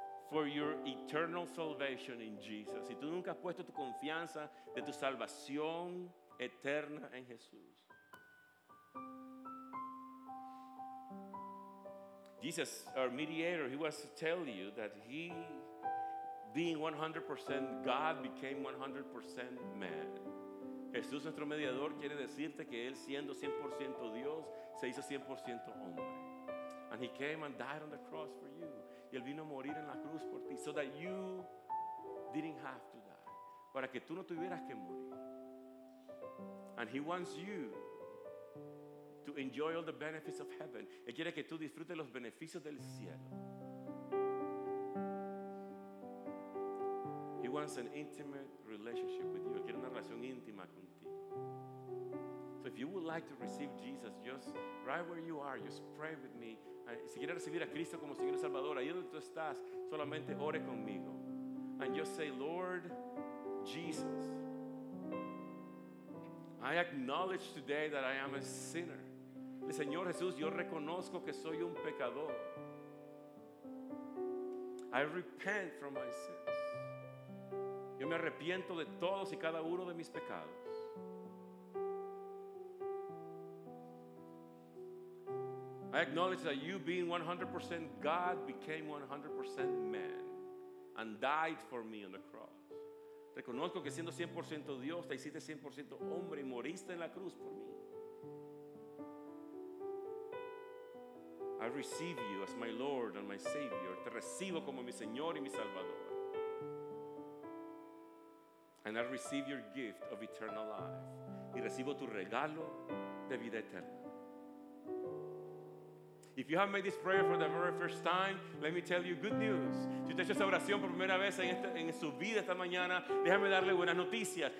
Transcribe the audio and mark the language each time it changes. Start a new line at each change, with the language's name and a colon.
English: for your eternal salvation in Jesus,
Spanish: si tú nunca has puesto tu confianza de tu salvación eterna en Jesús,
English: Jesus, our mediator, he wants to tell you that he, being 100% God, became 100% man.
Spanish: Jesús, nuestro mediador, quiere decirte que él, siendo 100% Dios, se hizo 100% hombre.
English: And he came and died on the cross for you.
Spanish: Y él vino a morir en la cruz por ti,
English: so that you didn't have to die.
Spanish: Para que tú no tuvieras que morir.
English: And he wants you to enjoy all the benefits of heaven.
Spanish: Él quiere que tú disfrutes los beneficios del cielo.
English: He wants an intimate relationship with you.
Spanish: Él quiere una relación íntima contigo.
English: So if you would like to receive Jesus, just right where you are, just pray with me.
Spanish: Si quieres recibir a Cristo como Señor y Salvador, ahí donde tú estás, solamente ore conmigo.
English: And just say, "Lord Jesus, I acknowledge today that I am a sinner.
Spanish: Señor Jesús, yo reconozco que soy un pecador.
English: I repent from my sins.
Spanish: Yo me arrepiento de todos y cada uno de mis pecados.
English: I acknowledge that you, being 100% God, became 100% man and died for me on the cross.
Spanish: Reconozco que siendo 100% Dios, te hiciste 100% hombre y moriste en la cruz por mí.
English: I receive you as my Lord and my Savior.
Spanish: Te recibo como mi Señor y mi Salvador.
English: And I receive your gift of eternal life.
Spanish: Y recibo tu regalo de vida eterna.
English: If you have made this prayer for the very first time, let me tell you good news.
Spanish: Si usted ha hecho esa oración por primera vez en su vida esta mañana, déjame darle buenas noticias.